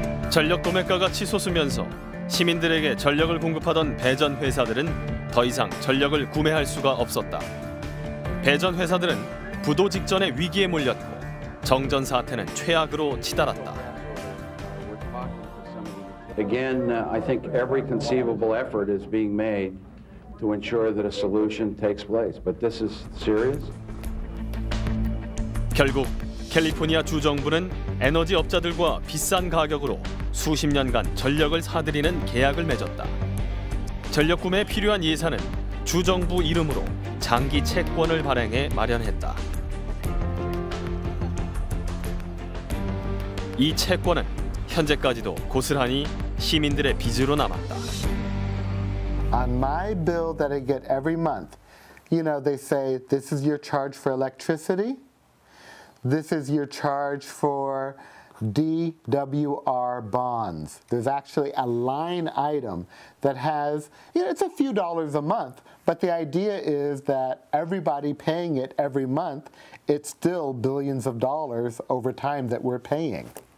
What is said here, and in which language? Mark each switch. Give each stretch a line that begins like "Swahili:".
Korean: 전력 도매가가 치솟으면서 시민들에게 전력을 공급하던 배전 회사들은 더 이상 전력을 구매할 수가 없었다. 배전 회사들은 부도 직전에 위기에 몰렸고 정전 사태는 최악으로 치달았다.
English: Again, I think every conceivable effort is being made to ensure that a solution takes place. But this is serious.
Korean: 결국 캘리포니아 주 정부는 에너지 업자들과 비싼 가격으로 수십 년간 전력을 사들이는 계약을 맺었다. 전력 구매에 필요한 예산은 주 정부 이름으로 장기 채권을 발행해 마련했다. 이 채권은 현재까지도 고스란히 시민들의 빚으로 남았다.
English: On my bill that I get every month, you know, they say, this is your charge for electricity. This is your charge for DWR bonds. There's actually a line item that has, you know, it's a few dollars a month, but the idea is that everybody paying it every month, it's still billions of dollars over time that we're paying.